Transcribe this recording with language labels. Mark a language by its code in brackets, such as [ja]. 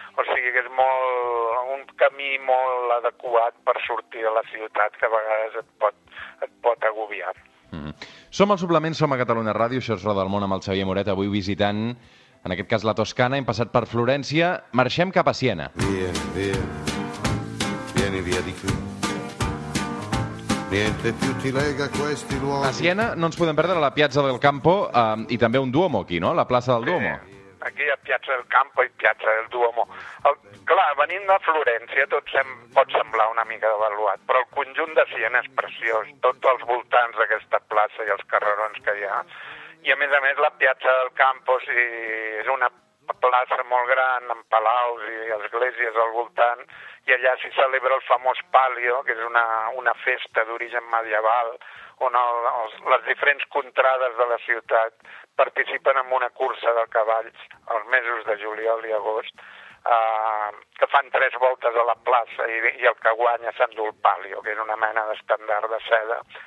[ca] O sigui que és molt un camí molt adequat per sortir de la ciutat, que a vegades et pot agobiar. Mm-hmm. Som al Suplement, som a Catalunya Ràdio, això és Roda del Món amb el Xavier Moret, avui visitant, en aquest cas, la Toscana. Hem passat per Florència, marxem cap a Siena. [it] Vieni, vieni, vieni via di qui. Niente più ti lega questi luoghi. [ca] A Siena no ens podem perdre la Piazza del Campo, i també un Duomo aquí, no? La plaça del Duomo. Aquí hi ha Piazza del Campo i Piazza del Duomo. Clar, venint de Florència tot pot semblar una mica devaluat, però el conjunt de Siena és preciós, tots els voltants d'aquesta plaça i els carrerons que hi ha. I a més, la Piazza del Campo, si és una plaça molt gran amb palaus i esglésies al voltant, i allà s'hi celebra el famós Palio, que és una festa d'origen medieval, on les diferents contrades de la ciutat participen en una cursa de cavalls els mesos de juliol i agost, que fan tres voltes a la plaça i el que guanya s'endú el Palio, que és una mena d'estendard de seda.